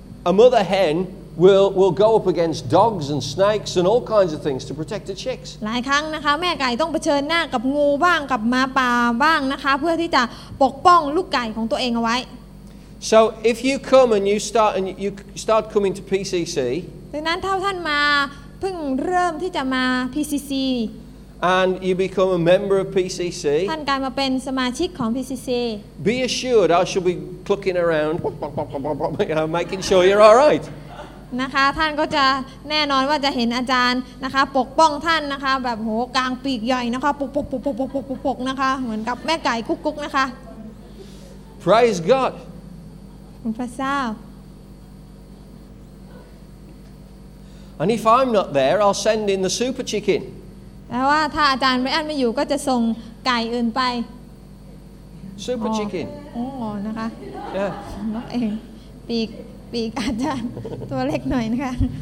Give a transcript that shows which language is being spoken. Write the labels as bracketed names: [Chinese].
[English] A mother hen will go up against dogs and snakes and all kinds of things to protect the chicks. [Thai] หลายครั้งนะคะแม่ไก่ต้องเผชิญหน้ากับงูบ้างกับหมาป่าบ้างนะคะเพื่อที่จะปกป้องลูกไก่ของตัวเองเอาไว้ [English] So if you come and you start coming to PCC [Thai] ดังนั้นถ้าท่านมาเพิ่งเริ่มที่จะมา PCC [English] And you become a member of PCC. [Thai] ท่านกลายมาเป็นสมาชิกของ PCC. [English] Be assured, I shall be clucking around, making sure you're all right. [Thai] นะคะท่านก็จะแน่นอนว่าจะเห็นอาจารย์นะคะปกป้องท่านนะคะแบบโหกลางปีกใหญ่นะคะปกนะคะเหมือนกับแม่ไก่กุ๊กๆนะคะ [English] Praise God. [Thai] ขอบพระเจ้า [English] And if I'm not there, I'll send in the super chicken. [Thai] แปลว่าถ้าอาจารย์ไรอันไม่อยู่ก็จะส่งไก่อื่นไป [English] Super Chicken [Thai] อ๋อนะคะ [English] Yeah [Thai] นกเองปีกอาจารย์ตัวเล็กหน่อยนะคะ